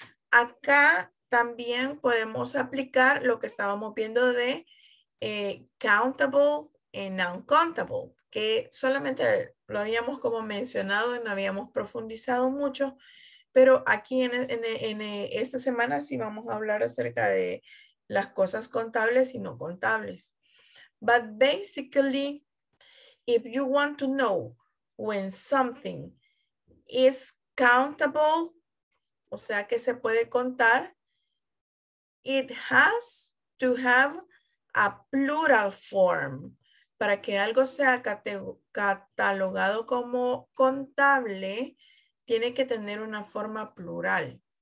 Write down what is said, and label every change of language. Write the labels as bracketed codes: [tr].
[es] Acá también podemos aplicar lo que estábamos viendo de [en] countable and uncountable, [es] que solamente lo habíamos como mencionado y no habíamos profundizado mucho, pero aquí en esta semana sí vamos a hablar acerca de las cosas contables y no contables. [en] But basically, if you want to know when something is countable, [es] o sea que se puede contar, [en] it has to have a plural form. [es] Para que algo sea catalogado como contable, tiene que tener una forma plural.